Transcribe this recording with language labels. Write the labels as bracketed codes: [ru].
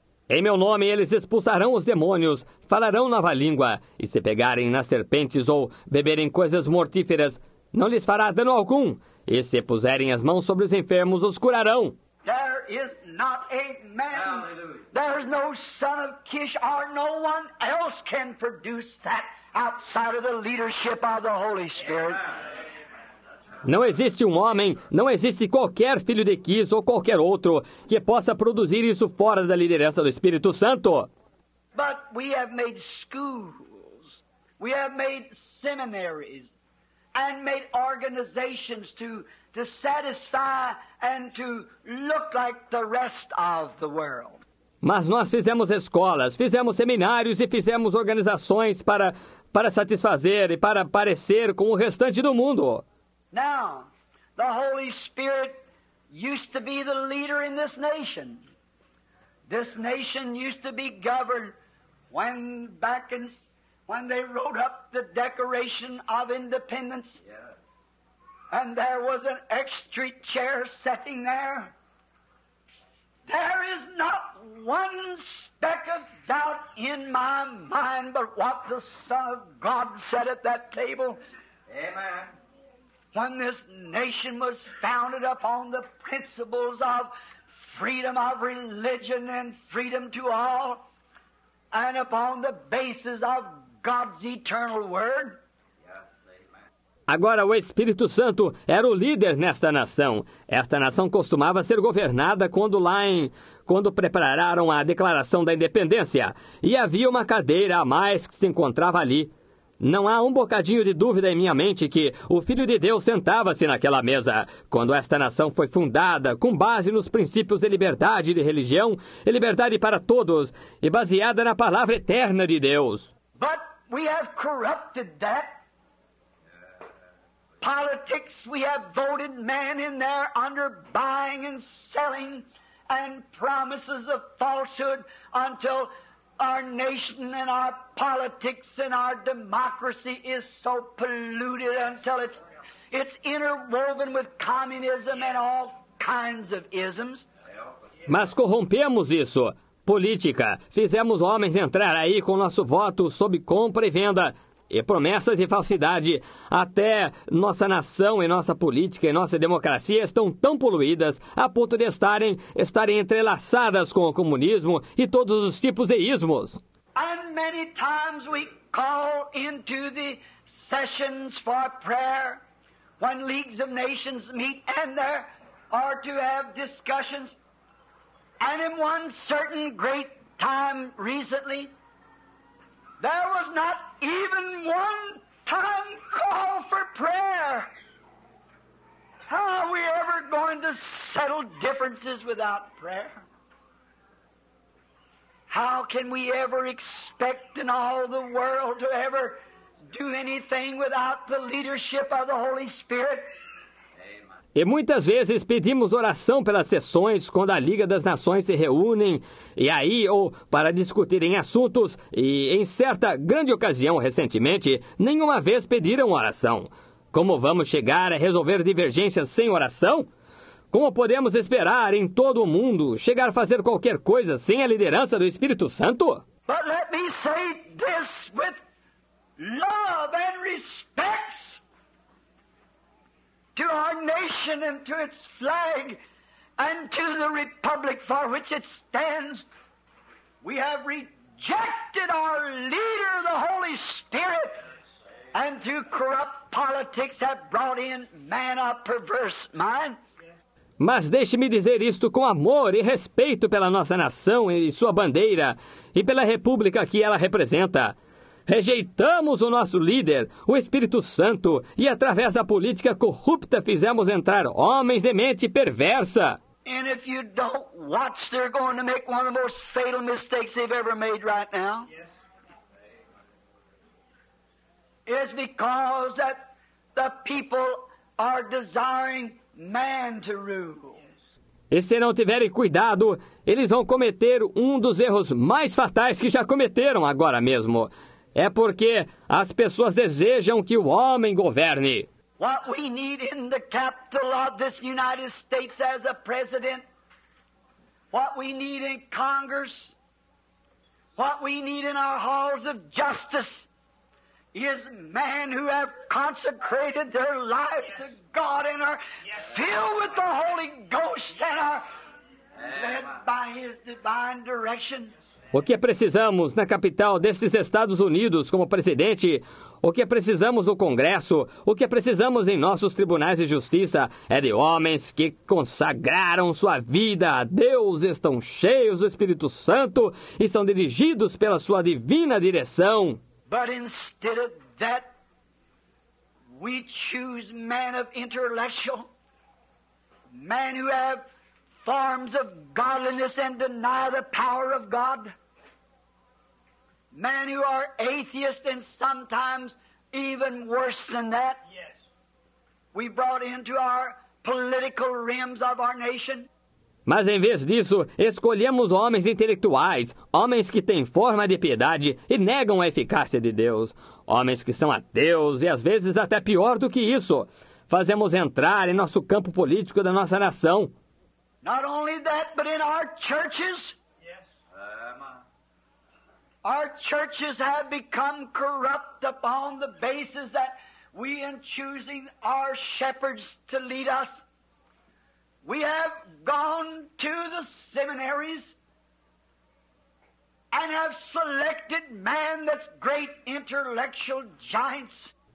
[pt] Em meu nome eles expulsarão os demônios, falarão nova língua, e se pegarem nas serpentes ou beberem coisas mortíferas, não lhes fará dano algum. E se puserem as mãos sobre os enfermos, os curarão. [en] There is not a man. Hallelujah. There is no son of Kish or no one else can produce that outside of the leadership of the Holy Spirit. [pt] Não existe um homem, não existe qualquer filho de Kish ou qualquer outro que possa produzir isso fora da liderança do Espírito Santo. [en] But we have made schools, we have made seminaries, and made organizations to satisfy and to look like the rest of the world. [pt] Mas nós fizemos escolas, fizemos seminários e fizemos organizações para satisfazer e para parecer com o restante do mundo. [en] Now, the Holy Spirit used to be the leader in this nation. This nation used to be governed when back in when they wrote up the Declaration of Independence. Yeah. And there was an extra chair sitting there. There is not one speck of doubt in my mind but what the Son of God said at that table. Amen. When this nation was founded upon the principles of freedom of religion and freedom to all, and upon the basis of God's eternal word. [pt] Agora, o Espírito Santo era o líder nesta nação. Esta nação costumava ser governada quando prepararam a Declaração da Independência. E havia uma cadeira a mais que se encontrava ali. Não há um bocadinho de dúvida em minha mente que o Filho de Deus sentava-se naquela mesa. Quando esta nação foi fundada, com base nos princípios de liberdade de religião, e liberdade para todos, e baseada na palavra eterna de Deus. [en] But we have corrupted that. Politics, we have voted men in there under buying and selling and promises of falsehood until our nation and our politics and our democracy is so polluted until it's interwoven with communism and all kinds of isms. [pt] Mas corrompemos isso. Política. Fizemos homens entrar aí com nosso voto sob compra e venda. e promessas e falsidade. Até nossa nação e nossa política e nossa democracia estão tão poluídas a ponto de estarem entrelaçadas com o comunismo e todos os tipos de ismos. [en] And many times we call into the sessions for prayer when leagues of nations meet and there are to have discussions. And in one certain great time recently, there was not even one time call for prayer. How are we ever going to settle differences without prayer? How can we ever expect in all the world to ever do anything without the leadership of the Holy Spirit? [pt] E muitas vezes pedimos oração pelas sessões quando a Liga das Nações se reúnem, e aí, ou para discutirem assuntos, e em certa grande ocasião recentemente, nenhuma vez pediram oração. Como vamos chegar a resolver divergências sem oração? Como podemos esperar em todo o mundo chegar a fazer qualquer coisa sem a liderança do Espírito Santo? [en] But let me say this with love and respect to our nation and to its flag and to the republic for which it stands. We have rejected our leader, the Holy Spirit, and through corrupt politics have brought in man of perverse mind. [pt] Mas deixe-me dizer isto com amor e respeito pela nossa nação e sua bandeira e pela república que ela representa. Rejeitamos o nosso líder, o Espírito Santo, e através da política corrupta fizemos entrar homens de mente perversa. [en] And if you don't watch, they're going to make one of the most fatal mistakes they've ever made right now. It's because that the people are desiring man to rule. [pt] E se não tiverem cuidado, eles vão cometer um dos erros mais fatais que já cometeram agora mesmo. É porque as pessoas desejam que o homem governe. [en] What we need in the capital of this United States as a president, what we need in Congress, what we need in our halls of justice, is men who have consecrated their lives to God and are filled with the Holy Ghost and are led by His divine direction. [pt] O que precisamos na capital desses Estados Unidos como presidente, o que precisamos no Congresso, o que precisamos em nossos tribunais de justiça é de homens que consagraram sua vida a Deus, estão cheios do Espírito Santo e são dirigidos pela sua divina direção. [en] But instead of that, we choose men of intellectual, men who have forms of godliness and deny the power of God. Men who are atheists and sometimes even worse than that. Yes. We brought into our political realms of our nation. [pt] Mas em vez disso, escolhemos homens intelectuais, homens que têm forma de piedade e negam a eficácia de Deus. Homens que são ateus e às vezes até pior do que isso. Fazemos entrar em nosso campo político da nossa nação. [en] Not only that, but in our churches. Yes. Our churches have become corrupt upon the basis that we in choosing our shepherds to lead us. We have gone to the seminaries and have selected men that's great intellectual giants.